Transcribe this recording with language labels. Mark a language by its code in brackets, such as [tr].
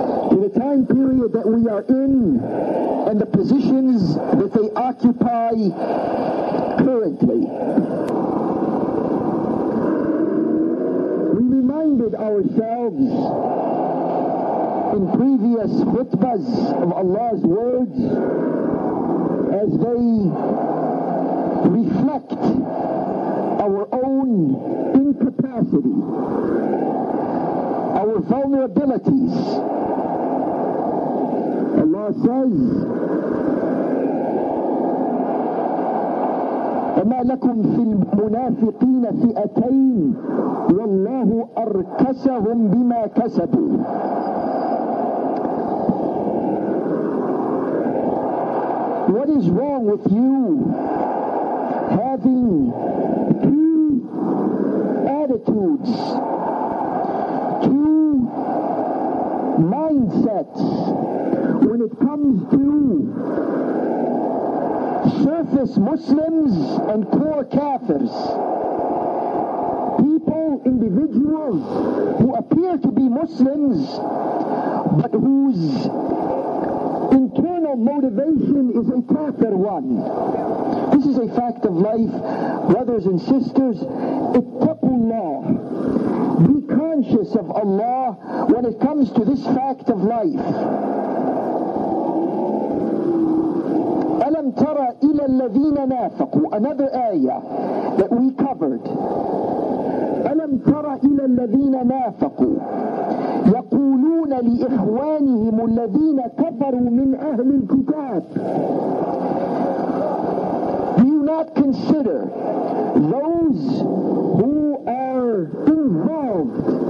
[en] To the time period that we are in and the positions that they occupy currently, we reminded ourselves in previous khutbas of Allah's words as they reflect our own incapacity, our vulnerabilities. Allah says, [ar] وَمَا لَكُمْ فِي الْمُنَافِقِينَ فِئَتَيْنِ وَاللَّهُ أَرْكَسَهُمْ بِمَا كَسَبُوا. [en] What is wrong with you having two attitudes, two mindsets when it comes to surface Muslims and core kafirs? People, individuals who appear to be Muslims but whose internal motivation is a kafir one. This is a fact of life, brothers and sisters. Ittaqullah. Be conscious of Allah when it comes to this fact of life. [ar] Alam tara ila alladhina nafaqu. [en] Another ayah that we covered. [ar] Alam tara ila alladhina nafaqu. يقولون لإخوانهم الذين كفروا من أهل الكتاب. [en] Do you not consider those who are involved